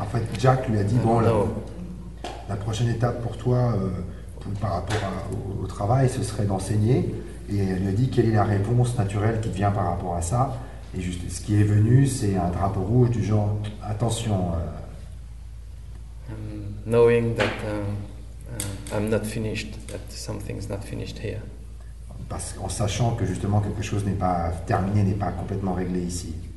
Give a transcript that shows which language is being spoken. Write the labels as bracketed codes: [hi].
[fr] En fait, Jack lui a dit bon, la prochaine étape pour toi. Par rapport au travail, ce serait d'enseigner. Et elle lui a dit quelle est la réponse naturelle qui vient par rapport à ça. Et juste, ce qui est venu, c'est un drapeau rouge du genre attention. [en] Knowing that I'm not finished, that something's not finished here. [fr] Parce qu'en sachant que justement quelque chose n'est pas terminé, n'est pas complètement réglé ici.